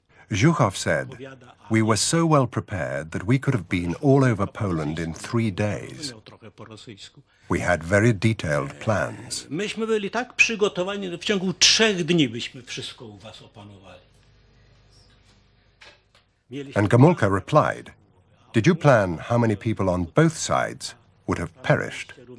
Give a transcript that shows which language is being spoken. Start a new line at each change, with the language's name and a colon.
English: Zhukov said, "We were so well prepared that we could have been all over Poland in 3 days. We had very detailed plans."
Polish: Myśmy byli tak przygotowani, że w ciągu 3 dni byśmy wszystko u was opanowali.
English: And Gomulka replied, "Did you plan how many people on both sides would have perished?"